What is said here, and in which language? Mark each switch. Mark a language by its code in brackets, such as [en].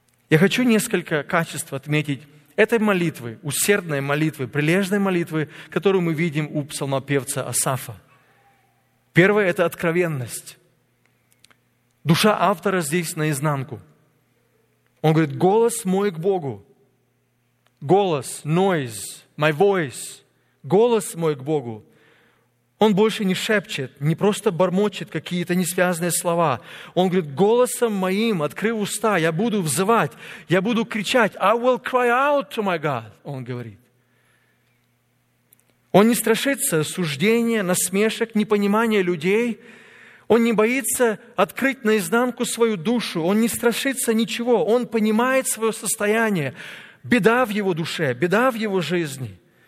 [ru] Я хочу несколько качеств отметить этой молитвы, усердной молитвы, прилежной молитвы, которую мы видим у псалмопевца Асафа. Первое – это откровенность. Душа автора здесь наизнанку. Он говорит, голос мой к Богу. Голос, [en] noise, my voice. [ru] Голос мой к Богу. Он больше не шепчет, не просто бормочет какие-то несвязные слова. Он говорит, голосом моим, открыв уста, я буду взывать, я буду кричать. [en] I will cry out to my God, [ru] он говорит. Он не страшится осуждения, насмешек, непонимания людей. Он не боится открыть наизнанку свою душу. Он не страшится ничего. Он понимает свое состояние. Беда в его душе, беда в его жизни.